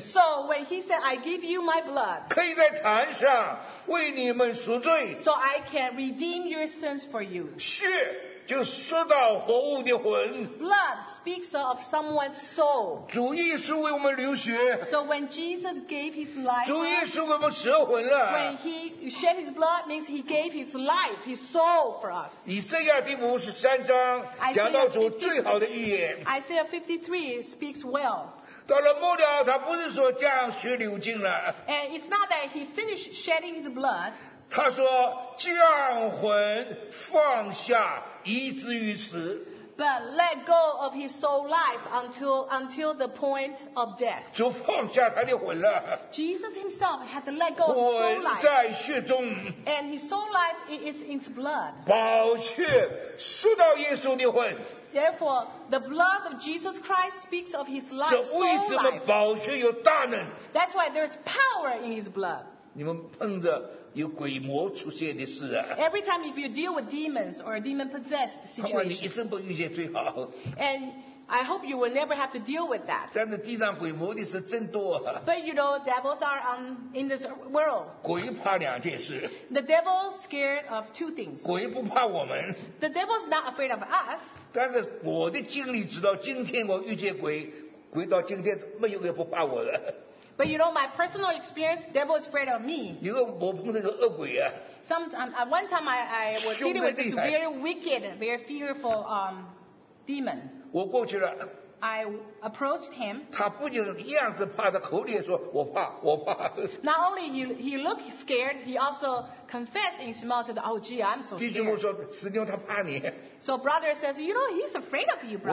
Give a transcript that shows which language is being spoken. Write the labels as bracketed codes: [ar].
[en] So when He said, I give you my blood. [zh] 可以在坛上为你们赎罪。 [en] So I can redeem your sins for you. [zh] 血就说到活物的魂。 [en] Blood speaks of someone's soul. [zh] 主耶稣为我们流血。 [en] So when Jesus gave His life, [zh] 主耶稣为我们舍魂了。 [en] When He shed His blood, means He gave His life, His soul for us. [zh] 以赛亚第五十三章讲到主最好的预言。 [en] Isaiah 53 speaks well. [zh] 到了末了，他不是说将血流尽了。 [en] And it's not that He finished shedding His blood. [zh] 他说将魂放下以至于死。 [en] But let go of his soul life until the point of death. [zh] 就放下他的魂了。 [en] Jesus himself had to let go of his soul life. [zh] 魂在血中。 [en] And his soul life is in his blood. [zh] 宝血输到耶稣的魂。 [en] Therefore, the blood of Jesus Christ speaks of his life, soul life. [zh] 这为什么宝血有大能？ [en] That's why there's power in his blood. [zh] 你们碰着有鬼魔出现的事啊。 [en] Every time if you deal with demons or a demon-possessed situation. [zh] 看来你一生不遇见最好。 [en] And I hope you will never have to deal with that. [zh] 但是地上鬼魔的事真多啊。 [en] But you know, devils are in this world. [zh] 鬼怕两件事。 [en] The devil is scared of two things. [zh] 鬼不怕我们。 [en] The devil is not afraid of us. [zh] 但是我的经历直到今天我遇见鬼，鬼到今天没有人不怕我了。 [en] But you know, my personal experience, devil is afraid of me. [zh] 因为我碰到一个恶鬼啊。 [en] One time I was dealing with this very wicked, very fearful demon. [zh] 我过去了。 [en] I approached him. [zh] 他不仅样子怕，他口里也说我怕，我怕。 [en] Not only he looked scared, he also confessed in his mouth, said, "Oh, gee, I'm so scared." [zh] 弟兄说，师兄他怕你。 [en] So brother says, "You know, he's afraid of you, brother."